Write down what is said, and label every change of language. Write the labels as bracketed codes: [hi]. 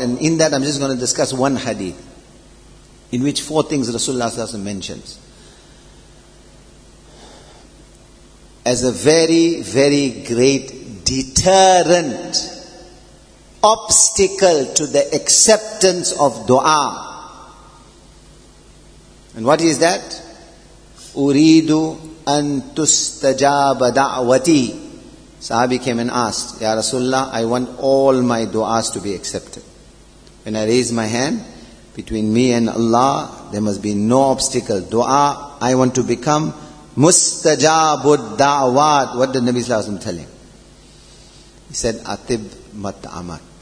[en] And in that, I'm just going to discuss one hadith in which 4 things Rasulullah sallallahu alaihi wasallam mentions as a very, very great deterrent obstacle to the acceptance of dua. And what is that? [ar] Uridu أن تستجاب دعوتي. [en] Sahabi came and asked, Ya Rasulullah, I want all my du'as to be accepted. When I raise my hand, between me and Allah, there must be no obstacle. Du'a, I want to become [ar] مستجاب الدعوات. [en] What did Nabi Sallallahu Alaihi Wasallam tell him? He said, [ar] أطب مطعمك.